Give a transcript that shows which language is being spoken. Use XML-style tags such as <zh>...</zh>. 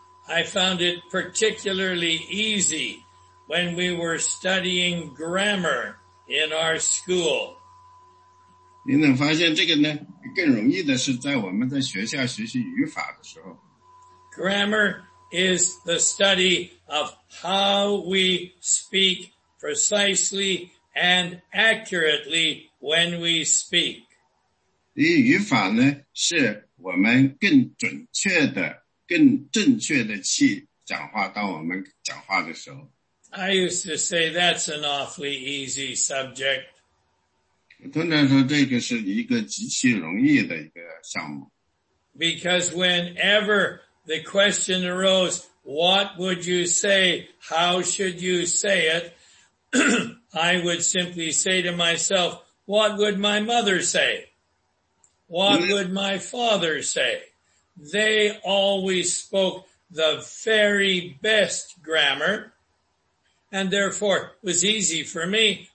<en>I found it particularly easy when we were studying grammar in our school.</en> <zh>您能发现这个呢，更容易的是在我们在学校学习语法的时候。</zh> <en>Grammar is the study of how we speak precisely and accurately when we speak.</en> <zh>语法呢，是我们更准确的、更正确的去讲话。当我们讲话的时候</zh> <en>I used to say that's an awfully easy subject.</en> <zh>通常说这个是一个极其容易的一个项目。</zh> <en>Because whenever the question arose, what would you say, how should you say it, I would simply say to myself, what would my mother say? What would my father say? They always spoke the very best grammar, and therefore it was easy for me.</en>